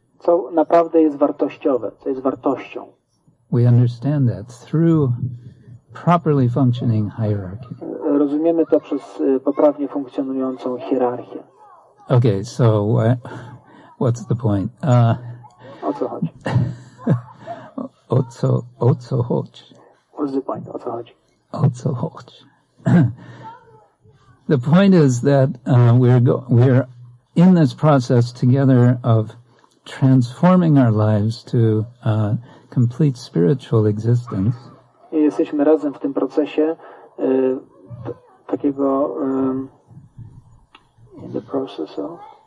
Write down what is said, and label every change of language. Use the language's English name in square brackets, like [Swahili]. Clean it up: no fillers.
[Polish] Co naprawdę jest wartościowe, co jest wartością. [English] We understand that through properly functioning hierarchy. [Polish] Rozumiemy to przez poprawnie funkcjonującą hierarchię. [English] Okay, so what's the point? [Polish] O co chodzi? O co chodzi? [English] What's the point? [Polish] O co chodzi? O co chodzi? [English] The point is that we're in this process together of transforming our lives to complete spiritual existence. [Polish] I jesteśmy razem w tym procesie [English] in the process of